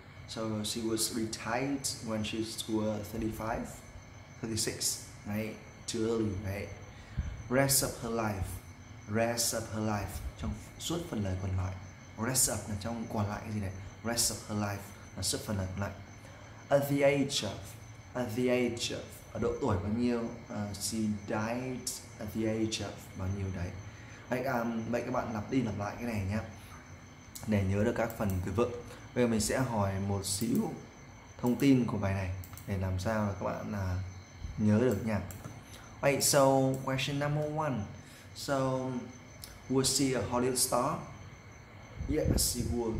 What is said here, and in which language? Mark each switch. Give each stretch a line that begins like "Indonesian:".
English: So she was retired when she was 36, right? Too early, right? Rest of her life
Vietnamese: trong suốt phần lời còn lại.
English: Rest up
Vietnamese: là trong còn lại cái gì này?
English: Rest of her life
Vietnamese: là suốt phần lời còn lại.
English: At the age of
Vietnamese: ở độ tuổi bao nhiêu?
English: She died at the age of
Vietnamese: bao nhiêu đấy? Vậy các bạn lặp đi lặp lại cái này nhé, để nhớ được các phần từ vựng. Bây giờ mình sẽ hỏi một xíu thông tin của bài này để làm sao là các bạn là nhớ được nha.
English: Wait, so question number one. So, was she a Hollywood star? Yes, she was.